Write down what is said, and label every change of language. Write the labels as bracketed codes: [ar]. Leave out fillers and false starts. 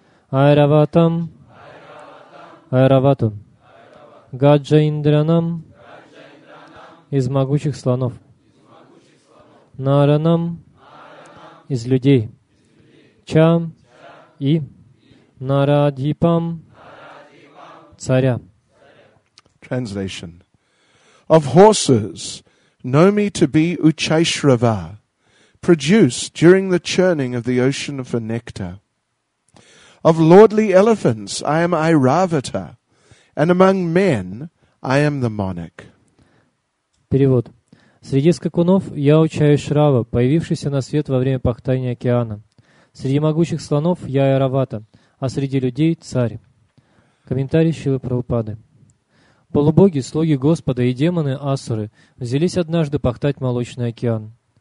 [ru] Айраватам, Айравату, Гаджаиндранам, из могучих слонов, Наранам, из людей, Чам, и Нарадипам, царя. [en] Translation. Of horses, know me to be Uchaishrava, produced during the churning of the ocean for nectar. Of lordly elephants, I am Airavata, and among men, I am the monarch. [ru] Перевод. Среди скакунов я Uchaishrava, появившийся на свет во время пахтания океана. Среди могучих слонов я Айравата, а среди людей — царь. Комментарий Шрилы Прабхупады. Полубоги, слуги Господа и демоны, асуры, взялись однажды пахтать молочный океан.